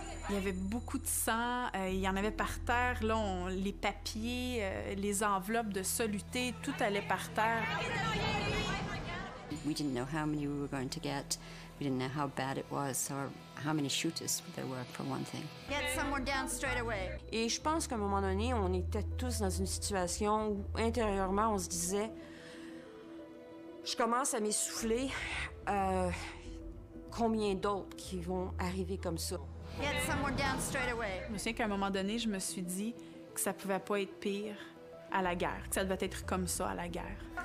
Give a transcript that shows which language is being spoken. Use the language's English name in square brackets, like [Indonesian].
[French] Il y avait beaucoup de sang, il y en avait par terre, là, les papiers, les enveloppes de soluté, tout allait par terre. [English] We didn't know how many we were going to get. We didn't know how bad it was or how many shooters there were, for one thing. Get someone down straight away. [French] Et je pense qu'à un moment donné, on était tous dans une situation où intérieurement, on se disait, je commence à m'essouffler, combien d'autres qui vont arriver comme ça? [English] Get someone down straight away. [French] Je me souviens qu'à un moment donné, je me suis dit que ça pouvait pas être pire à la guerre, que ça devait être comme ça à la guerre.